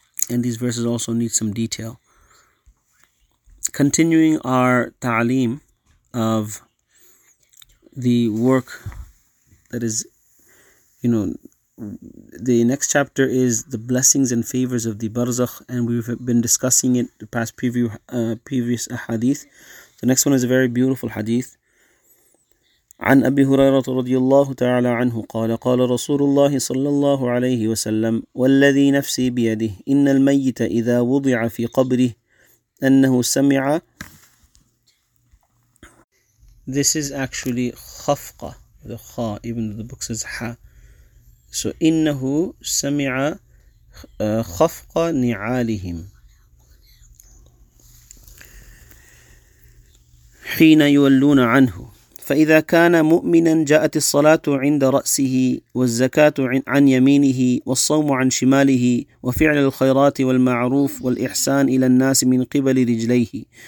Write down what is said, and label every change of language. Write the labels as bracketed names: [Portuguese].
[English] And these verses also need some detail. Continuing our ta'aleem of the work that is, you know, the next chapter is the blessings and favors of the barzakh, and we've been discussing it the past previous hadith. The next one is a very beautiful hadith. [Arabic] عن أبي هريرة رضي الله تعالى عنه قال قال رسول الله صلى الله عليه وسلم والذي نفسي بيده إن الميت إذا وضع في قبره أنه سمع. [English] This is actually خفقة, the خا, even though the book says ح. [Arabic] So إنه سمع خفقة نعالهم حين يولون عنه فإذا كان مؤمنا جاءت الصلاة عند رأسه والزكاة عن يمينه والصوم عن شماله وفعل الخيرات والمعروف والإحسان إلى الناس من قبل رجليه